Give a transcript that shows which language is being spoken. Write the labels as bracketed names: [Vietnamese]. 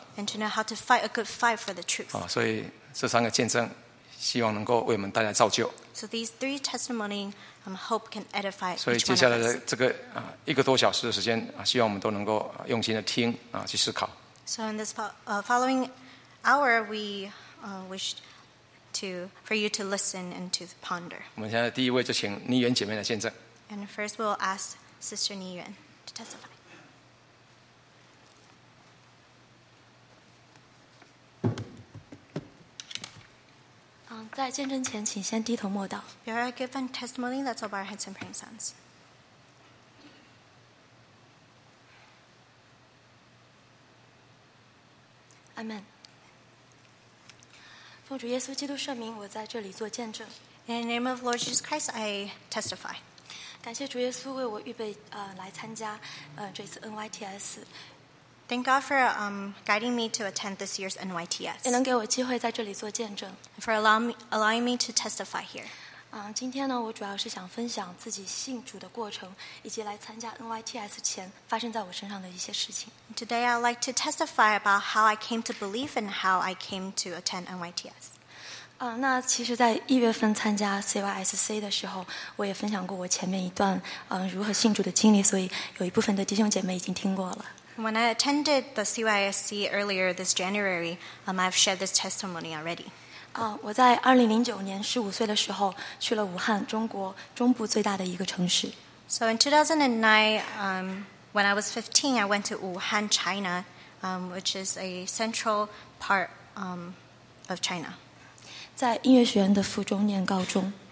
[English] And to know how to fight a good fight for the truth. [Chinese] 所以这三个见证。希望能够为我们带来造就。 [English] So these three testimonies, hope can edify. [Chinese] 所以接下来的这个一个多小时的时间希望我们都能够用心的听去思考。 [English] So in this following hour, we wish to for you to listen and to ponder. [Chinese] 我们现在第一位就请妮媛姐妹来见证。 [English] And first, we'll ask Sister 妮媛 to testify. [Chinese] 在见证前，请先低头默祷。 [English] Before I give a testimony, let's bow our heads and pray in silence. [Chinese] 阿门。奉主耶稣基督圣名，我在这里做见证。 [English] In the name of Lord Jesus Christ, I testify. [Chinese] 感谢主耶稣为我预备来参加这次 NYTS。 [English] Thank God for guiding me to attend this year's NYTS. [Chinese] 也能给我机会在这里做见证。 [English] For allowing me to testify here. [Chinese] 今天呢，我主要是想分享自己信主的过程，以及来参加 NYTS 前发生在我身上的一些事情。 [English] Today I'd like to testify about how I came to believe and how I came to attend NYTS. [Chinese] 那其实，在一月份参加 CYSC 的时候，我也分享过我前面一段如何信主的经历，所以有一部分的弟兄姐妹已经听过了。 [English] When I attended the CYSC earlier this January, I've shared this testimony already. [Chinese] 我在2009年15岁的时候去了武汉，中国中部最大的一个城市。 [English] So in 2009, when I was 15, I went to Wuhan, China, which is a central part of China. [Chinese] 在音乐学院的附中念高中。